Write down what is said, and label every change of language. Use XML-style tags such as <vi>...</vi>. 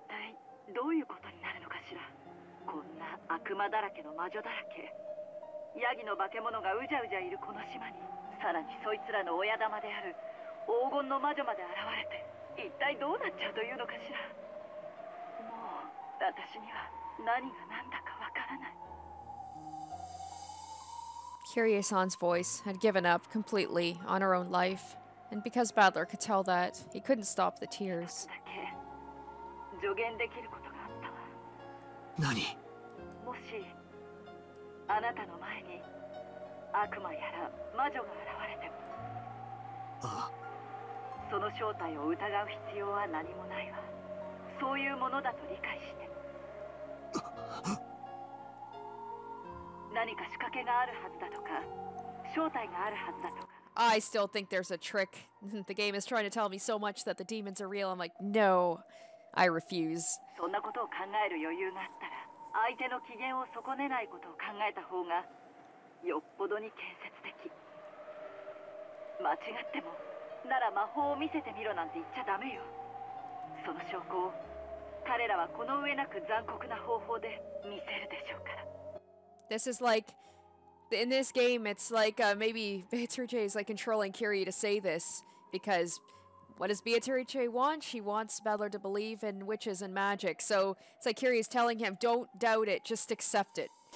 <ja>一体どういうことになるのかしら。こんな悪魔だらけの魔女だらけ、ヤギの化け物がうじゃうじゃいるこの島に、さらにそいつらの親玉である黄金の魔女まで現れて、一体どうなっちゃうというのかしら。もう私には何が何だかわからない。</ja> <en>Kirie-san's voice had given up completely on her own life, and because Badler could tell that, he couldn't stop the tears.</en> <ja>助言できること、何？もしあなたの前に悪魔やら魔女が現れても、ああ、その正体を疑う必要は何もないわ。そういうものだと理解して。何か仕掛けがあるはずだとか、正体があるはずだとか。</ja> <en>I still think there's a trick. The game is trying to tell me so much that the demons are real. I'm like, no. I refuse.</en> <ja>そんなことを考える余裕があったら、相手の機嫌を損ねないことを考えた方がよっぽどどに建設的。間違ってもなら魔法を見せてみろなんて言っちゃダメよ。その証拠を彼らはこの上なく残酷な方法で見せるでしょうから。</ja> <en>This is like in this game, it's like maybe Beatrice is like controlling Kiri to say this, because what does Beatrice want? She wants Balor to believe in witches and magic. So it's like Kiri is telling him, don't doubt it, just accept it.</en>